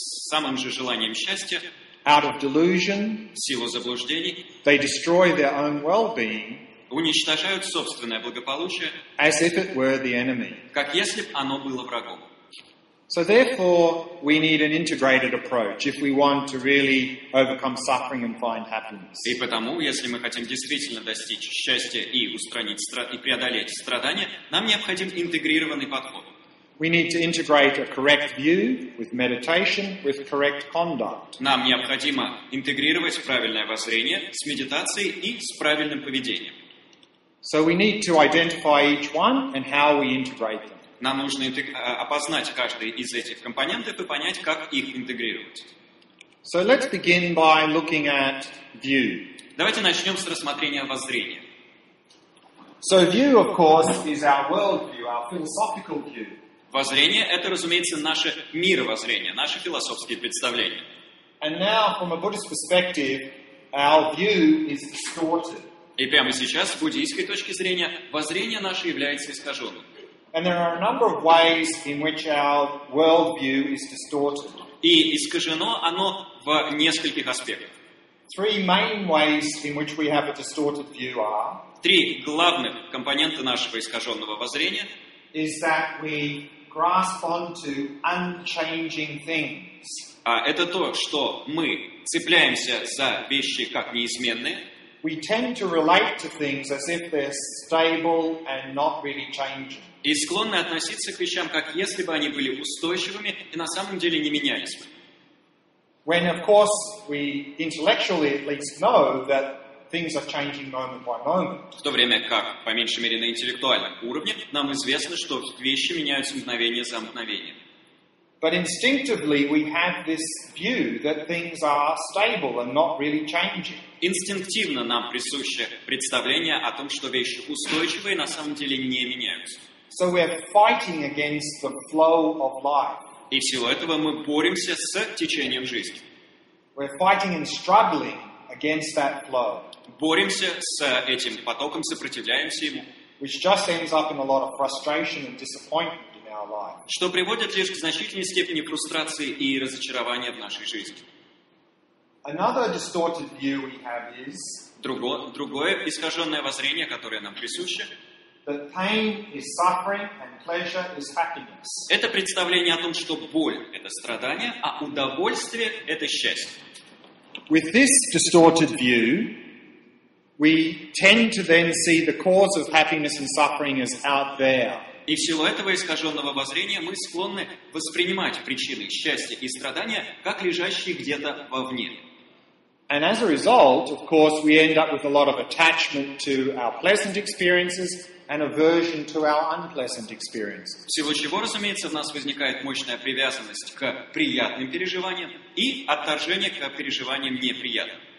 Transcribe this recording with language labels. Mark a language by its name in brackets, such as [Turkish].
[Russian] самым же желанием счастья, [English] out of delusion, [Russian] в силу заблуждений, [English] they destroy their own well-being, [Russian] уничтожают собственное благополучие, [English] as if it were the enemy, [Russian] как если бы оно было врагом. [English] So therefore, we need an integrated approach if we want to really overcome suffering and find happiness. [Russian] И потому, если мы хотим действительно достичь счастья и устранить и преодолеть страдания, нам необходим интегрированный подход. [English] We need to integrate a correct view with meditation with correct conduct. [Russian] Нам необходимо интегрировать правильное воззрение с медитацией и с правильным поведением. [English] So we need to identify each one and how we integrate them. [Russian] Нам нужно опознать каждый из этих компонентов и понять, как их интегрировать. [English] So let's begin by looking at view. [Russian] Давайте начнем с рассмотрения воззрения. [English] So view, of course, is our worldview, our philosophical view. [Russian] Воззрение — это, разумеется, наше мировоззрение, наши философские представления. [English] And now, from a Buddhist perspective, our view is distorted. [Russian] И прямо сейчас, с буддийской точки зрения, воззрение наше является искаженным. [English] And there are a number of ways in which our worldview is distorted. [Russian] И искажено оно в нескольких аспектах. [English] Three main ways in which we have a distorted view are. [Russian] Три главных компонента нашего искаженного воззрения. [English] Is that we grasp onto unchanging things. [Russian] Это то, что мы цепляемся за вещи как неизменные. [English] we tend to relate to things as if they're stable and not really changing. [Russian] И склонны относиться к вещам, как если бы они были устойчивыми и на самом деле не менялись бы. [English] When, of course, we intellectually at least know that things are changing moment by moment. [Russian] В то время как, по меньшей мере, на интеллектуальном уровне, нам известно, что вещи меняются мгновение за мгновение. [English] But instinctively we have this view that things are stable and not really changing. [Russian] Инстинктивно нам присуще представление о том, что вещи устойчивые и на самом деле не меняются. [English] So we are fighting against the flow of life. [Russian] И в силу этого мы боремся с течением жизни. [English] We are fighting and struggling against that flow. [Russian] Боремся с этим потоком, сопротивляемся ему. [English] Which just ends up in a lot of frustration and disappointment. [Russian] Что приводит лишь к значительной степени фрустрации и разочарования в нашей жизни. [English] Another distorted view we have is, [Russian] другое искаженное воззрение, которое нам присуще, [English] that pain is suffering and pleasure is happiness. [Russian] Это представление о том, что боль — это страдание, а удовольствие — это счастье. [English] With this distorted view, we tend to then see the cause of happiness and suffering as out there. [Russian] И в силу этого искаженного воззрения мы склонны воспринимать причины счастья и страдания как лежащие где-то вовне. [English] And as a result, of course, we end up with a lot of attachment to our pleasant experiences and aversion to our unpleasant experiences. [Russian] Всего чего, разумеется, в нас возникает мощная привязанность к приятным переживаниям и отторжение к переживаниям неприятным.